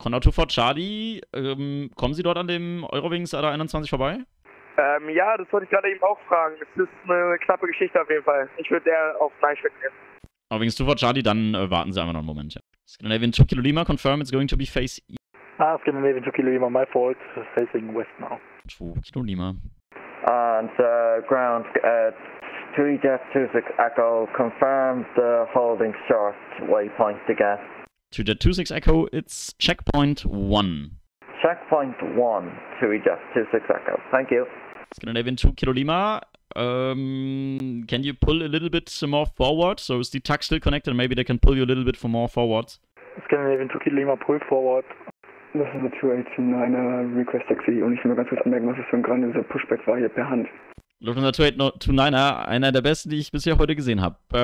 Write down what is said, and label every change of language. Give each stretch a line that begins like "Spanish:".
German: Condor 2 for Charlie, kommen Sie dort an dem Eurowings ADA 21 vorbei? Ja, das wollte ich gerade eben auch fragen. Es ist eine knappe Geschichte auf jeden Fall. Ich würde eher auf Fleisch wegnehmen. Wings 2 for Charlie, dann warten Sie einfach noch einen Moment. Ja.
English: Scandinavian 2 Kilo Lima, confirm it's going to be face E. Scandinavian 2 Kilo Lima, my fault, facing west now. 2 Kilo Lima. And ground at 3 Jet 26 Echo, confirm the holding short waypoint again. 2 Jet 26 Echo, it's checkpoint 1. Checkpoint 1, 3 Jet 26 Echo, thank you. Scandinavian 2 Kilo Lima, can you pull a little bit more forward? So is the tuck still connected? Maybe they can pull you a little bit for more forward. Scandinavian 2 Kilo Lima, pull forward.
German: Das ist eine 2829er Request Taxi und ich will mal ganz kurz anmerken, was das für ein grandioser Pushback war hier per Hand. Lufthansa 2829er, einer der besten, die ich bisher heute gesehen habe.